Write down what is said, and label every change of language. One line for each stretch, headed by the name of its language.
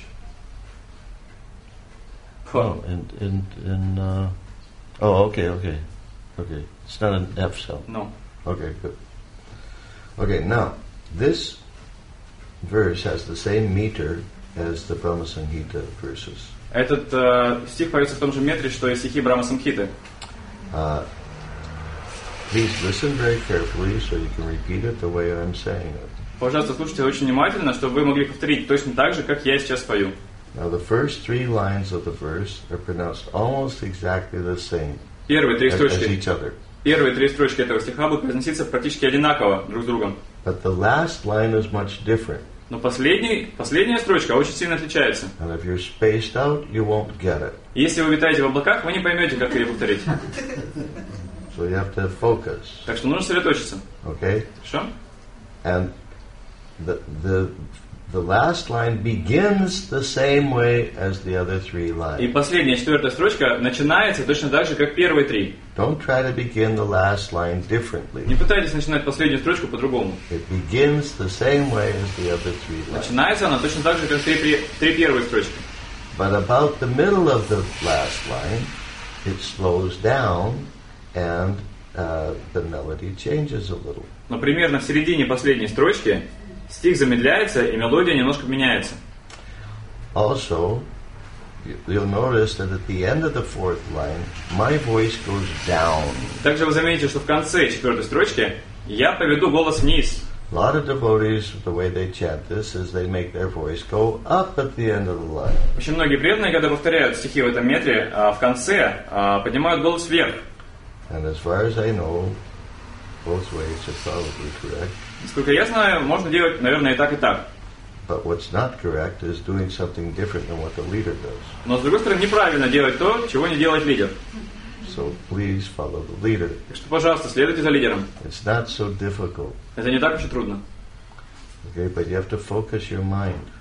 English: P. Oh, in oh, okay. It's not an F sound. No. Okay, good. Okay, now, this verse has the same meter as the Brahma Sanghita verses.
Russian: Этот стих появится в том же метре, что и стихи Брахма Самхиты.
English: Please listen very carefully so you can repeat it the way I'm saying it.
Russian: Пожалуйста, слушайте очень внимательно, чтобы вы могли повторить точно так же, как я сейчас пою.
English: Now the first three lines of the verse are pronounced almost exactly the same.
Russian: Первые три строчки.
English: As each other.
Russian: Первые три строчки этого стиха будут произноситься практически одинаково друг с другом.
English: But the last line is much different.
Russian: Но последняя строчка очень сильно отличается.
English: And if you're spaced out, you won't get it.
Russian: Если вы витаете в облаках, вы не поймете, как ее повторить.
English: So you have to focus.
Russian: Так что нужно сосредоточиться.
English: Okay.
Russian: Что?
English: And the last line begins the same way as the other three lines.
Russian: И последняя четвертая строчка начинается точно так же, как первые три.
English: Don't try to begin the last line differently.
Russian: Не пытайтесь начинать последнюю строчку по-другому.
English: It begins the same way as the other three lines.
Russian: Начинается она точно так же, как три первые строчки.
English: But about the middle of the last line, it slows down. And the melody changes a little.
Russian: Но примерно в середине последней строчки стих замедляется и мелодия немножко меняется.
English: Also, you'll notice that at the end of the fourth line, my voice goes down.
Russian: Также вы заметите, что в конце четвертой строчки я поведу голос вниз.
English: A lot of devotees, the way they chant this is they make their voice go up at the end of the line.
Russian: Очень многие преданные, когда повторяют стихи в этом метре, в конце поднимают голос вверх.
English: And as far as I know, both ways are probably correct.
Russian: Насколько я знаю, можно делать, наверное, и так, и так.
English: But what's not correct is doing something different than what the leader does.
Russian: Но с другой стороны, неправильно делать то, чего не делает лидер.
English: So please follow the leader.
Russian: Так что, пожалуйста, следуйте за лидером.
English: It's not so difficult.
Russian: Это не так уж и трудно.
English: Okay, but you have to focus your mind.